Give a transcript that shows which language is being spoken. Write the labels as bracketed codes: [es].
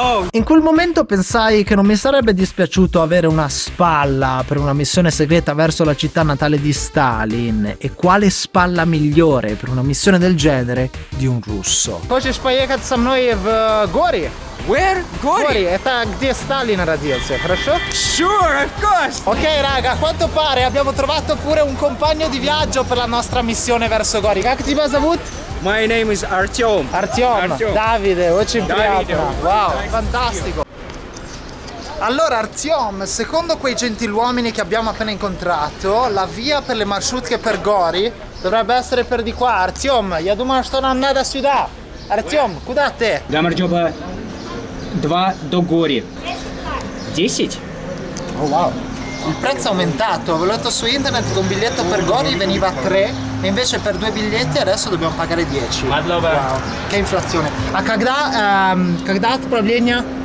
[it] In quel momento pensai che non mi sarebbe dispiaciuto avere una spalla per una missione segreta verso la città natale di Stalin. E quale spalla migliore per una missione del genere di un russo? [ru] Хочешь поехать со мной в горы? [en] Where? Gori? [ru] Gori, это где Сталин родился, хорошо? [en] Sure, of course! [it] Ok, raga, a quanto pare abbiamo trovato pure un compagno di viaggio per la nostra missione verso Gori. [ru] Как тебя зовут? [en] My name is Artyom. [ru] Artyom, Davide, очень приятно. [it] Wow, fantastico! Allora, Artyom, secondo quei gentiluomini che abbiamo appena incontrato, la via per le marciutche per Gori dovrebbe essere per di qua. [ru] Artyom, я думаю, что нам надо сюда. Artyom, куда ты? Да, Артём, два до Гори. 10? [it] Oh, wow. Il prezzo è aumentato. Ho letto su internet che un biglietto per Gori veniva 3 e invece per due biglietti adesso dobbiamo pagare 10. Wow. Che inflazione. [ru] А когда, когда отправление?